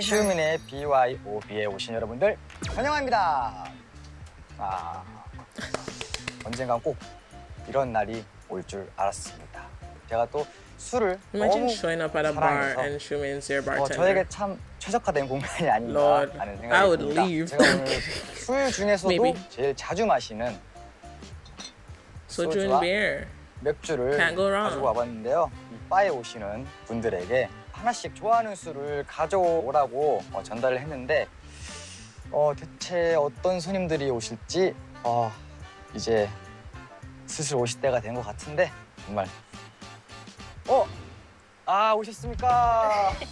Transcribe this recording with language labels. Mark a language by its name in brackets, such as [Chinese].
[Korean] 시우민의 BYOB에 오신 여러분들 환영합니다. 아 언젠간 꼭 이런 날이 올 줄 알았습니다. 제가 또 술을 [English] Imagine showing up at a bar and Shumin's your bartender. [Korean] 저에게 참 최적화된 공간이 아닌가라는 생각이 [English] 듭니다. I would leave. [Korean] 술 중에서도 Maybe. 제일 자주 마시는 소주와 beer. 맥주를 가지고 와봤는데요. 이 바에 오시는 분들에게 하나씩 좋아하는 술을 가져오라고 전달을 했는데 대체 어떤 손님들이 오실지 이제 슬슬 오실 때가 된 것 같은데 정말 아 오셨습니까?